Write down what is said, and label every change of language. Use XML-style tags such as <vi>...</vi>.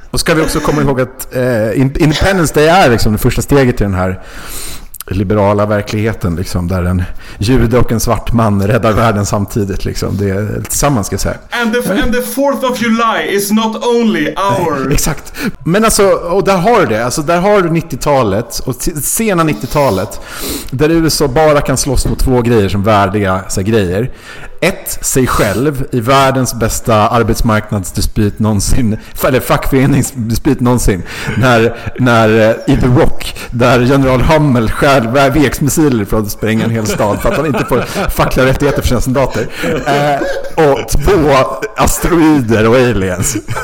<sv>Och ska vi också komma ihåg att Independence Day är liksom det första steget i den här liberala verkligheten liksom, där en jude och en svart man räddar världen samtidigt liksom. Det är tillsammans, ska jag säga.</sv> <en>And the 4th of July is not only our.</en> <sv>Nej, exakt. Men alltså, och där har du det. Alltså, där har du 90-talet och sena 90-talet där USA bara kan slåss mot två grejer som värdiga så här, grejer. Ett, sig själv i världens bästa arbetsmarknadsdisput någonsin, eller fackföreningsdisput någonsin, när i The Rock, där general Hummel skär VX-missiler för att spränga en hel stad för att han inte får fackliga rättigheter för sina soldater, och två, asteroider och aliens.</sv>